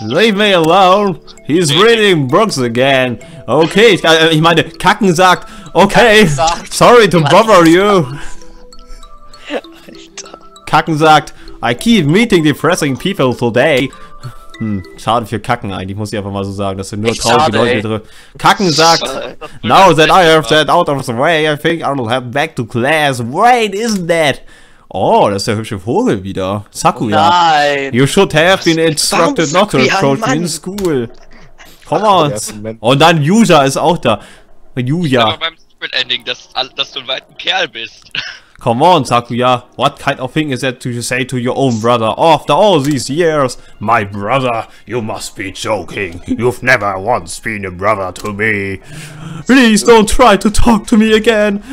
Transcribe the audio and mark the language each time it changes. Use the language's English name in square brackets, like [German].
[English] Leave me alone! He's reading books again! [German] Okay, ich meine, Kacken sagt, [English] okay, sorry to bother you! [German] Alter. Kacken sagt, [English] I keep meeting depressing people today. [German] Schade für Kacken eigentlich, muss ich einfach mal so sagen, dass sind nur traurige Leute drin. Kacken sagt, [English] now that I have that out of the way, I think I will head back to class. Wait, isn't that? [German] Oh, das ist der hübsche Vogel wieder. Sakuya. Nein. [English] You should have been instructed not to approach me in school. Come on. [German] Und dann Yuja ist auch da. Yuja. Ich bin aber beim Secret Ending, dass du ein weiter Kerl bist. [English] Come on, Sakuya. What kind of thing is that to say to your own brother after all these years? My brother, you must be joking. You've never once been a brother to me. Please don't try to talk to me again.